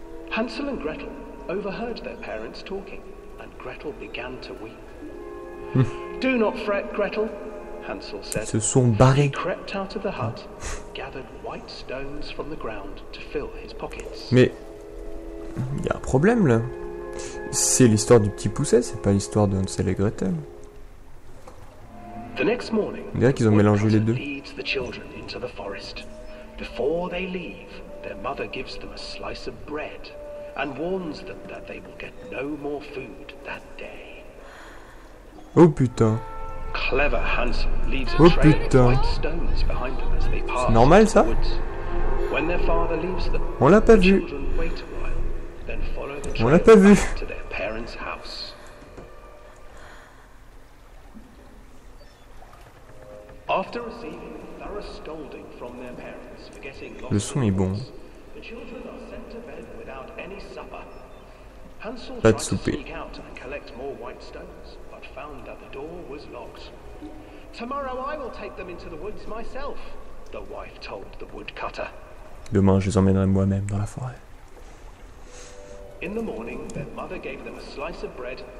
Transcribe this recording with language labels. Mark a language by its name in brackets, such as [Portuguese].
[English] Hansel and Gretel overheard their parents talking, and Gretel began to weep. Do not fret, Gretel. Hansel said. [French] Se sont barrés. [English] He crept out of the hut, gathered white stones from the ground to fill his pockets. [French] Mais il y a un problème là. C'est l'histoire du petit Poucet, c'est pas l'histoire de Hansel et Gretel. [English] The next morning, [French] on dirait qu'ils ont mélangé les deux. [English] Leads the children into the forest. Before they leave, their mother gives them a slice of bread and warns them that they will get no more food that day. [French] Oh putain. [English] Clever Hansel leaves a trail of white stones behind them as they pass. [French] C'est normal, ça? [English] When their father leaves them, [French] on l'a pas vu. [English] Wait a while, then follow the [French] on l'a pas vu. [English] To their parents' house. After receiving a thorough scolding from their parents for getting lost, [French] le son est bon. [English] The children are sent to bed without any supper. Hansel [French] pas [English] tries to sneak out and collect more white stones. Found that the door was locked. Tomorrow I will take them into the woods myself, the wife told the woodcutter. [French] Demain, je les emmènerai moi-même dans la forêt. [English] In the morning, their mother gave them a slice of bread.